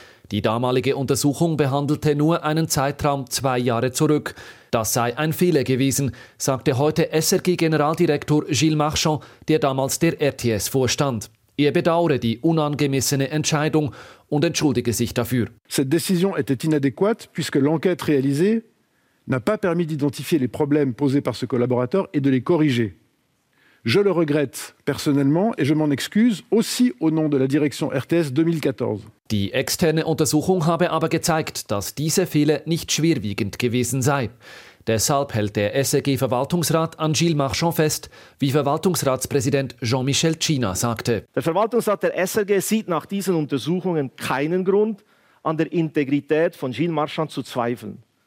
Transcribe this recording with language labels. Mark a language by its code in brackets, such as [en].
[de] Die damalige Untersuchung behandelte nur einen Zeitraum 2 Jahre zurück. Das sei ein Fehler gewesen, sagte heute SRG-Generaldirektor Gilles Marchand, der damals der RTS vorstand. Er bedauere die unangemessene Entscheidung und entschuldige sich dafür. [fr] Cette décision était inadéquate, puisque l'enquête réalisée n'a pas permis d'identifier les problèmes posés par ce collaborateur et de les corriger. Je le regrette personnellement et je m'en excuse aussi au nom de la direction RTS 2014. [de] Die externe Untersuchung habe aber gezeigt, dass dieser Fehler nicht schwerwiegend gewesen sei. Deshalb hält der SRG-Verwaltungsrat an Gilles Marchand fest, wie Verwaltungsratspräsident Jean-Michel China sagte. Der Verwaltungsrat der SRG sieht nach diesen Untersuchungen keinen Grund, an der Integrität von Gilles Marchand zu zweifeln.